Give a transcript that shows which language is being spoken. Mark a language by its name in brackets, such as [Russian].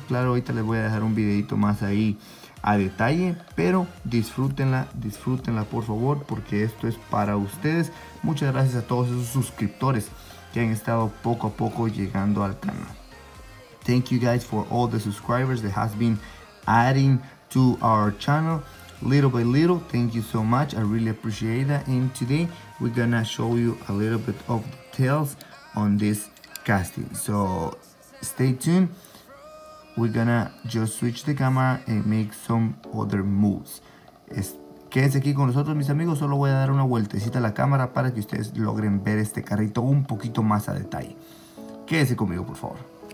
[Spanish] Claro, ahorita les voy a dejar un videito más ahí a detalle, pero disfrútenla por favor, porque esto es para ustedes. Muchas gracias a todos esos suscriptores que han estado poco a poco llegando al canal. [English] Thank you guys for all the subscribers that has been adding to our channel little by little. Thank you so much, I really appreciate that. And today we're gonna show you a little bit of details on this casting, so stay tuned. We're gonna just switch the camera and make some other moves. [Spanish] Quédense aquí con nosotros, mis amigos. Solo voy a dar una vueltecita a la cámara para que ustedes logren ver este carrito un poquito más a detalle. Quédense conmigo, por favor.